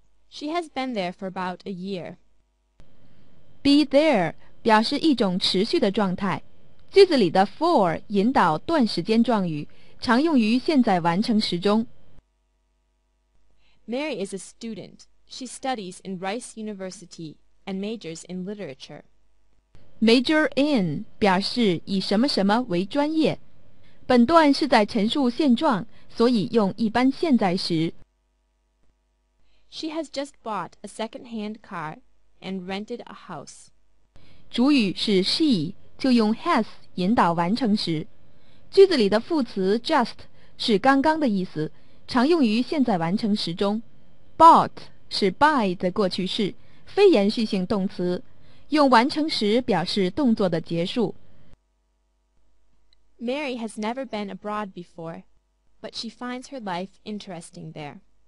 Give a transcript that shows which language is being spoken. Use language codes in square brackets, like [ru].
[en] She has been there for about a year. Be there [zh] 表示一种持续的状态。句子里的 for 引导段时间状语，常用于现在完成时中。 [en] Mary is a student. She studies in Rice University and majors in literature. Major in [zh] 表示以什么什么为专业。本段是在陈述现状，所以用一般现在时。 [en] She has just bought a second-hand car and rented a house. [zh] 主语是 she。就用 has 引导完成时，句子里的副词 just 是刚刚的意思，常用于现在完成时中。 bought 是 buy 的过去式，非延续性动词，用完成时表示动作的结束。 [en] Mary has never been abroad before, but she finds her life interesting there.